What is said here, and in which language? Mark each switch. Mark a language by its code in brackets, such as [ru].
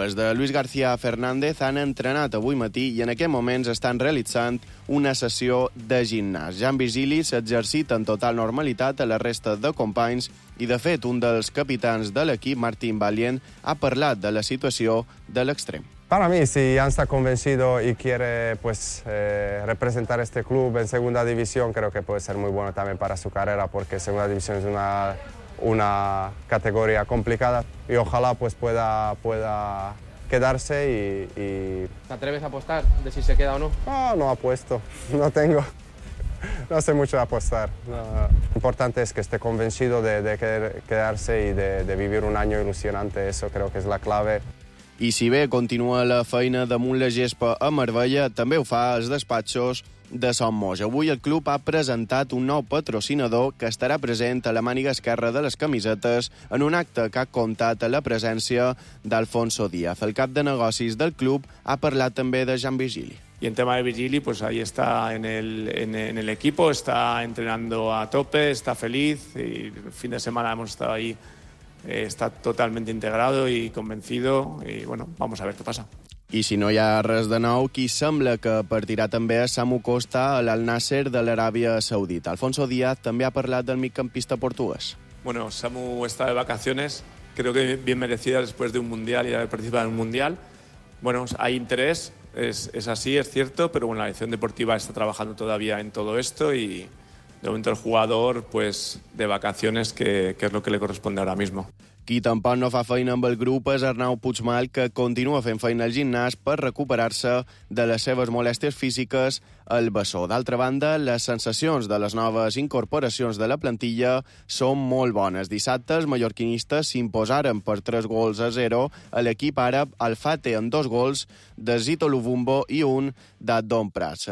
[ca] Els de Luis García Fernández han entrenat avui matí i en aquest moment estan realitzant una sessió de gimnàs. Jan Virgili s'ha exercit en total normalitat a la resta de companys i, de fet, un dels capitans de l'equip, Martín Valient, ha parlat de la situació de l'extrem. [es] Para mí, si Jan está convencido y quiere pues, representar este club en segunda división, creo que puede ser muy bueno también para su carrera, porque segunda división es una categoría complicada y ojalá pues, pueda quedarse y... ¿Te atreves a apostar de si se queda o no? No apuesto, no tengo... No sé mucho de apostar. No. Lo importante es que esté convencido de quedarse y de vivir un año ilusionante. Eso creo que es la clave. [ca] I si bé continua la feina damunt la gespa a Marbella, també ho fa als despatxos de Son Moix. Avui el club ha presentat un nou patrocinador que estarà present a la màniga esquerra de les camisetes en un acte que ha comptat a la presència d'Alfonso Díaz. El cap de negocis del club ha parlat també de Jan Virgili. [es] Y en tema de Virgili, pues ahí está en el equipo, está entrenando a tope, está feliz. Y el fin de semana hemos estado ahí, está totalmente integrado y convencido. Y bueno, vamos a ver qué pasa. [ca] I si no hi ha res de nou, qui sembla que partirà també a Samu Costa, a l'Al Nasser de l'Aràbia Saudita. Alfonso Díaz també ha parlat del migcampista portugués. [es] Bueno, Samu está de vacaciones, creo que bien merecida después de un Mundial y haber participado en un Mundial. Bueno, hay interés. Es así, es cierto, pero bueno, la dirección deportiva está trabajando todavía en todo esto y de momento el jugador, pues, de vacaciones, que es lo que le corresponde ahora mismo. [ca] Qui tampoc no fa feina amb el grup és Arnau Puigmal, que continua fent feina al gimnàs per recuperar-se de les seves molèsties físiques al bessó. D'altra banda, les sensacions de les noves incorporacions de la plantilla són molt bones. Dissabte, els mallorquinistes s'imposaren per 3-0 a l'equip àrab Al Fateh amb 2 de Zito Luvumbo i 1 de Don Prats.